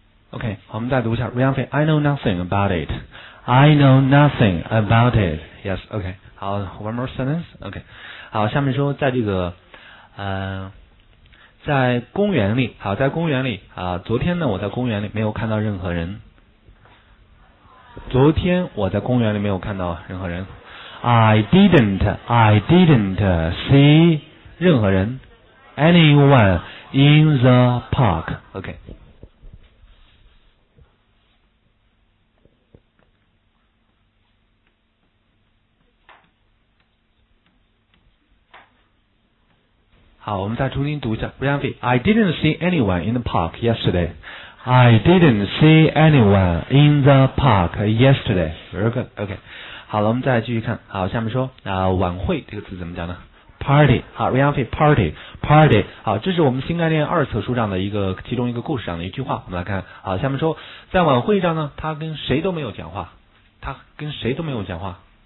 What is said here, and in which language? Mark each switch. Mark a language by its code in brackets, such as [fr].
[zh] 好，我们再读一下。 [en] Ryan Fei， I know nothing about it. I know nothing about it. Yes, okay. [zh] 好 [en] ,one more sentence. Okay. [zh] 好，下面说在这个在公园里，好，在公园里啊，昨天呢我在公园里没有看到任何人。昨天我在公园里没有看到任何人。 [en] I didn't see [zh] 任何人 [en] anyone in the park. Okay. [zh] 好，我们再重新读一下。 [en] Brian Fee， I didn't see anyone in the park yesterday. I didn't see anyone in the park yesterday. Very good. OK， [zh] 好了，我们再继续看。好，下面说晚会这个词怎么讲呢 ？ [en] Party。 [zh] 好 [en] ，Brian Fee， Party， Party。 [zh] 好，这是我们新概念二册书上的一个其中一个故事上的一句话。我们来看。好，下面说在晚会上呢，他跟谁都没有讲话，他跟谁都没有讲话。